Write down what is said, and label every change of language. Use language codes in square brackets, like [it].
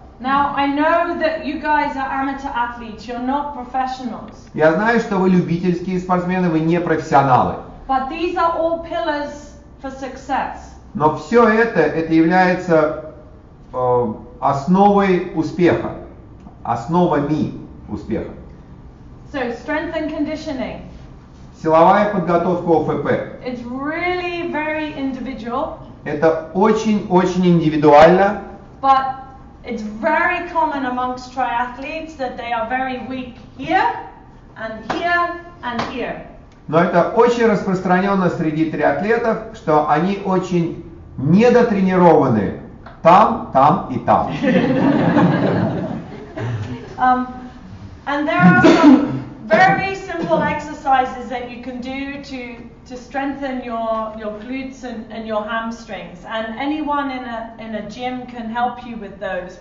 [en] Now, I know that you guys are amateur athletes, you're not professionals. [ru] Я знаю, что вы любительские спортсмены, вы не профессионалы. [en] But these are all pillars for success. [ru] Но все это является основой успеха, основами успеха. [en] So, strength and conditioning. [ru] Силовая подготовка ОФП. [en] It's really very individual. [ru] Это очень-очень индивидуально. [en] But it's very common amongst triathletes that they are very weak here and here and here. [ru] Но это очень распространено среди триатлетов, что они очень недотренированы. Там, там и там. [en] And there are some very simple exercises that you can do to strengthen your glutes and your hamstrings. And anyone in a gym can help you with those.